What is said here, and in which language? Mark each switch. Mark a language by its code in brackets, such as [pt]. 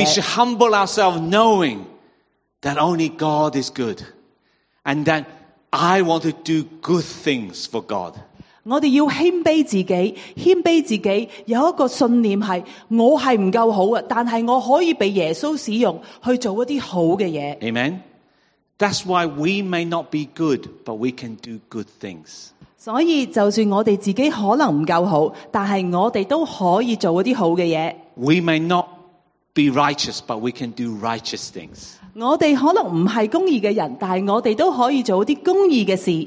[en] We should humble ourselves, knowing that only God is good, and that I want to do good things for God. [yue] 我哋要谦卑自己，谦卑自己，有一个信念系我系唔够好嘅，但系我可以被耶稣使用去做一啲好嘅嘢。 [en] Amen. That's why we may not be good, but we can do good things. [yue] 所以就算我哋自己可能唔够好，但系我哋都可以做一啲好嘅嘢。 [en] We may not be righteous, but we can do righteous things. [yue] 我哋可能唔系公义嘅人，但系我哋都可以做啲公义嘅事。